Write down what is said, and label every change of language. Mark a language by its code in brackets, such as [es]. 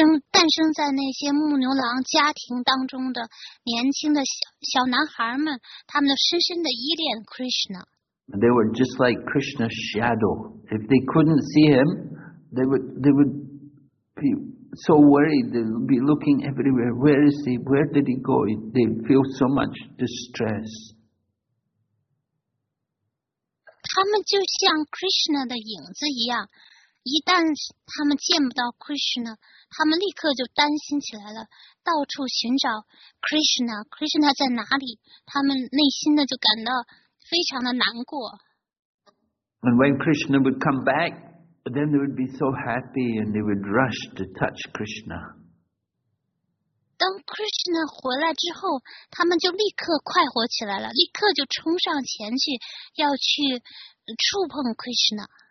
[zh] 诞生在那些牧牛郎家庭当中的年轻的小男孩们，他们都深深的依恋 Krishna. [en] They were just like Krishna's shadow. If they couldn't see him, they would be so worried. They would be looking everywhere. Where is he? Where did he go? They feel so much distress. [zh] 他们就像 Krishna 的影子一样，一旦他们见不到 Krishna， 他们立刻就担心起来了，到处寻找 Krishna， Krishna 在哪里？他们内心的就感到非常的难过。 [en] And when Krishna would come back, then they would be so happy and they would rush to touch Krishna. [zh] 当 Krishna 回来之后，他们就立刻快活起来了，立刻就冲上前去，要去触碰 Krishna。